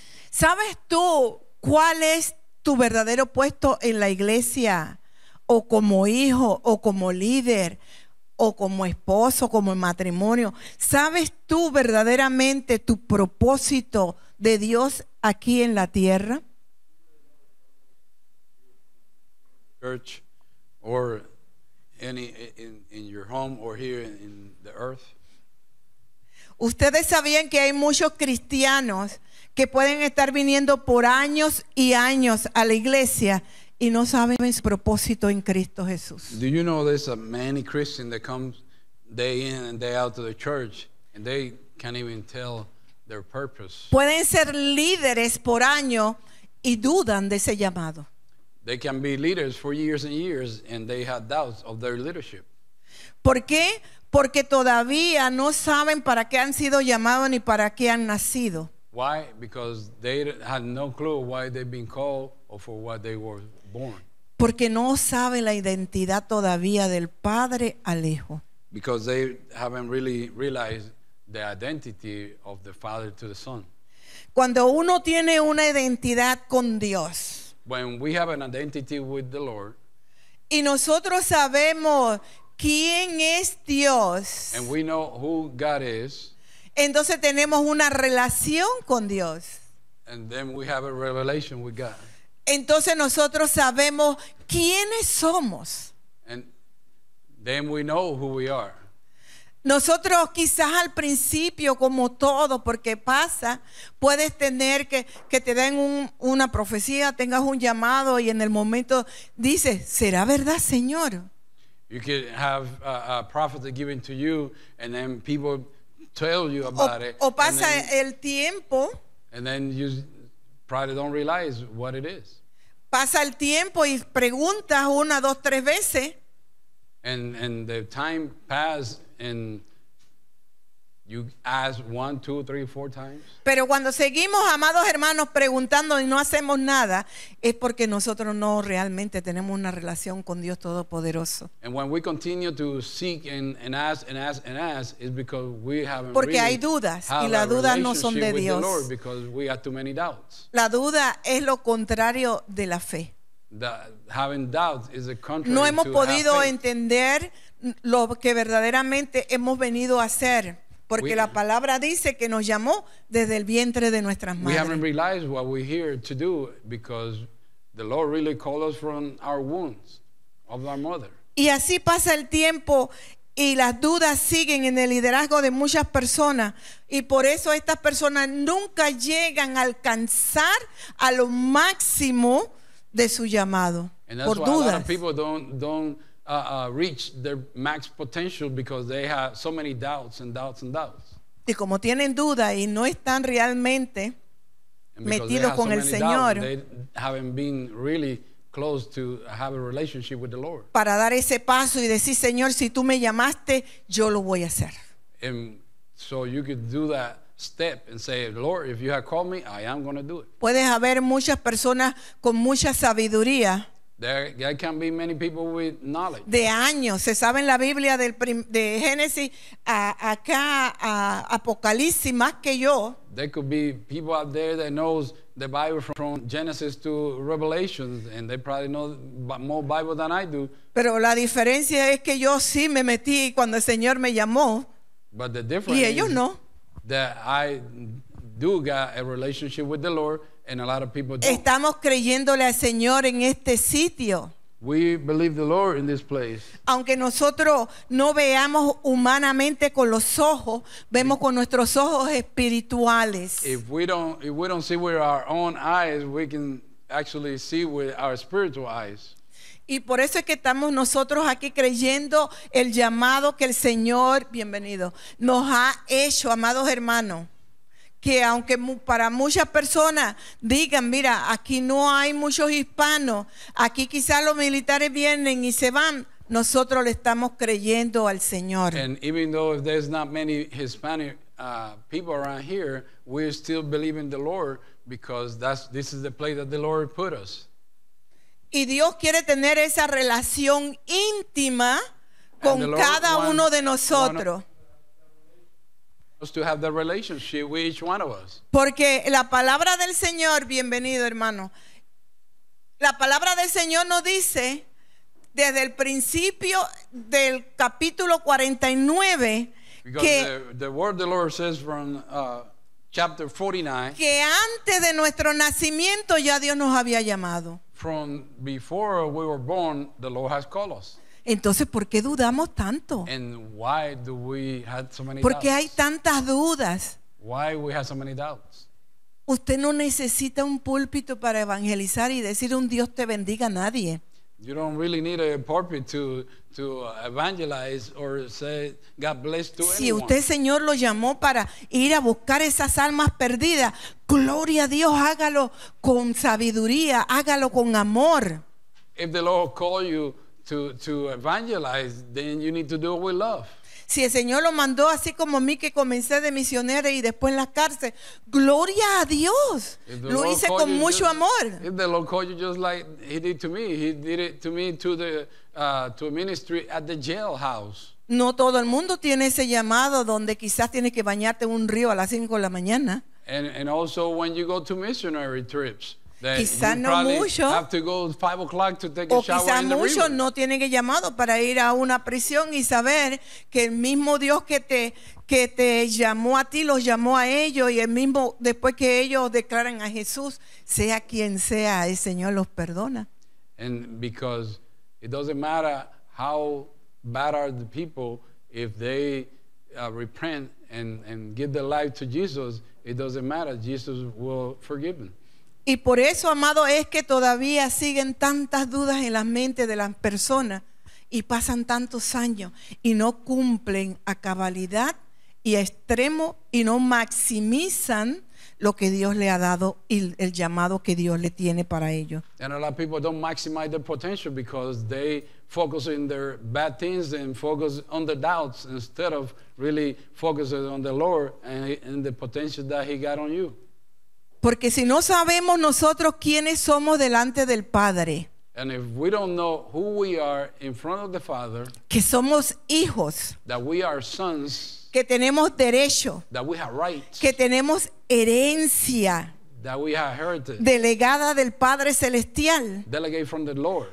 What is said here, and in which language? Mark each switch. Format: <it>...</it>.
<es>¿Sabes tú cuál es tu verdadero puesto en la iglesia? O como hijo, o como líder, o como esposo, como matrimonio. ¿Sabes tú verdaderamente tu propósito de Dios aquí en la tierra?</es> <en>Church, or in your home or here in the earth.</en> <es>Ustedes sabían que hay muchos cristianos que pueden estar viniendo por años y años a la iglesia y no saben su propósito en Cristo Jesús.</es> <en>Do you know there's many Christians that come day in and day out to the church and they can't even tell their purpose?</en> <es>Pueden ser líderes por años y dudan de ese llamado.</es> <en>They can be leaders for years and years and they have doubts of their leadership.</en> <es>¿Por qué? Porque todavía no saben para qué han sido llamados ni para qué han nacido.</es> <en>Why? Because they had no clue why they've been called or for what they were born.</en> <es>Porque no saben la identidad todavía del Padre al Hijo.</es> <en>Because they haven't really realized the identity of the Father to the Son.</en> <es>Cuando uno tiene una identidad con Dios,</es> <en>when we have an identity with the Lord,</en> <es>y nosotros sabemos quién es Dios,</es> <en>and we know who God is,</en> <es>entonces tenemos una relación con Dios.</es> <en>And then we have a revelation with God.</en> <es>Entonces nosotros sabemos quiénes somos.</es> <en>And then we know who we are.</en> <es>Nosotros quizás al principio, como todo, porque pasa, puedes tener que te den una profecía, tengas un llamado y en el momento dices, ¿será verdad, Señor?</es> <en>You could have a prophet given to you and then people tell you about it.</en> <es>O pasa el tiempo.</es> <en>And then you probably don't realize what it is.</en> <es>Pasa el tiempo y preguntas una, dos, tres veces.</es> <en>And the time passes and you ask one, two, three, four times.</en> <es>Pero cuando seguimos, amados hermanos, preguntando y no hacemos nada, es porque nosotros no realmente tenemos una relación con Dios Todopoderoso.</es> <en>And when we continue to seek and ask and ask and ask, it's because we haven't.</en> <es>Porque hay dudas y las dudas no son de Dios.</es> <en>The Lord, because we have too many doubts.</en> <es>La duda es lo contrario de la fe.</es> <en>Having doubts is a contrary to faith.</en> <es>No hemos podido entender lo que verdaderamente hemos venido a hacer. Porque la palabra dice que nos llamó desde el vientre de nuestras madres.</es> <en>We haven't realized what we're here to do because the Lord really called us from our wounds of our mother.</en> <es>Y así pasa el tiempo y las dudas siguen en el liderazgo de muchas personas y por eso estas personas nunca llegan a alcanzar a lo máximo de su llamado.</es> <en>And that's</en> <es>por</es> <en>why</en> <es>dudas.</es> <en>A lot of people don't reach their max potential because they have so many doubts and doubts and doubts.</en> <es>Y como tienen duda y no están realmente metidos con el Señor,</es> <en>they haven't been really close to have a relationship with the Lord.</en> <es>Para dar ese paso y decir, Señor, si tú me llamaste, yo lo voy a hacer.</es> <en>And so you could do that step and say, Lord, if you have called me, I am going to do it.</en> <es>Puedes haber muchas personas con mucha sabiduría.</es> <en>There can be many people with knowledge.</en> <es>De años, se sabe en la Biblia de Génesis acá a Apocalipsis más que yo.</es> <en>There could be people out there that knows the Bible from Genesis to Revelation, and they probably know more Bible than I do.</en> <es>Pero la diferencia es que yo sí me metí cuando el Señor me llamó.</es> <en>But the difference</en> <es>y ellos</es> <en>is</en> <es>no.</es> <en>That I do got a relationship with the Lord. And a lot of people don't.</en> <es>Estamos creyéndole al Señor en este sitio.</es> <en>We believe the Lord in this place.</en> <es>Aunque nosotros no veamos humanamente con los ojos, vemos con nuestros ojos espirituales.</es> <en>If we don't see with our own eyes, we can actually see with our spiritual eyes.</en> <es>Y por eso es que estamos nosotros aquí creyendo el llamado que el Señor, bienvenido, nos ha hecho, amados hermanos. Que aunque para muchas personas digan, mira, aquí no hay muchos hispanos, aquí quizás los militares vienen y se van, nosotros le estamos creyendo al Señor.</es> <en>And even though there's not many Hispanic people around here, we're still believing the Lord because this is the place that the Lord put us.</en> <es>Y Dios quiere tener esa relación íntima con cada uno de nosotros.</es> <en>To have that relationship with each one of us.</en> <es>Porque la palabra del Señor, bienvenido hermano, la palabra del Señor nos dice desde el principio del capítulo 49 que</es> <en>the word the Lord says from chapter 49</en> <es>que antes de nuestro nacimiento ya Dios nos había llamado.</es> <en>From before we were born, the Lord has called us.</en> <es>Entonces, ¿por qué dudamos tanto?</es> <en>And why do we have so many</en> <es>¿Por qué hay tantas dudas?</es> <en>Why we have so many doubts?</en> <es>Usted no necesita un púlpito para evangelizar y decir un Dios te bendiga a nadie.</es> <en>You don't really need a pulpit to evangelize or say God bless to anyone.</en> <es>Si usted, Señor, lo llamó para ir a buscar esas almas perdidas, gloria a Dios, hágalo con sabiduría, hágalo con amor.</es> <en>If the Lord called you to evangelize, then you need to do it with love.</en> <es>Si el Señor lo mandó así como a mí, que comencé de misionera y después en la cárcel, gloria a Dios, lo hice con mucho amor.</es> <en>If the Lord called you just like he did to me, he did it to me to ministry at the jailhouse.</en> <es>No todo el mundo tiene ese llamado donde quizás tiene que bañarte en un río a las 5 de la mañana.</es> <en>And also when you go to missionary trips,</en> <es>quizás no mucho,</es> <en>have to go 5 o'clock to take a</en> <es>o</es> <en>shower</en> <es>quizás</es> <en>in the</en> <es>mucho</es> <en>river.</en> <es>No tienen el llamado para ir a una prisión y saber que el mismo Dios que te llamó a ti los llamó a ellos, y el mismo después que ellos declaran a Jesús, sea quien sea, el Señor los perdona.</es> <en>And because it doesn't matter how bad are the people, if they repent and give their life to Jesus, it doesn't matter, Jesus will forgive them.</en> <es>Y por eso, amado, es que todavía siguen tantas dudas en las mentes de las personas, y pasan tantos años y no cumplen a cabalidad y a extremo, y no maximizan lo que Dios le ha dado y el llamado que Dios le tiene para ellos.</es> <en>And a lot of people don't maximize their potential because they focus on their bad things and focus on the doubts instead of really focusing on the Lord and the potential that he got on you.</en> <es>Porque si no sabemos nosotros quiénes somos delante del Padre,</es> <en>and if we don't know who we are in front of the Father,</en> <es>que somos hijos,</es> <en>that we are sons,</en> <es>que tenemos derecho,</es> <en>that we have rights,</en> <es>que tenemos herencia,</es> <en>that we have heritage,</en> <es>delegada del Padre Celestial,</es> <en>delegated from the Lord,</en>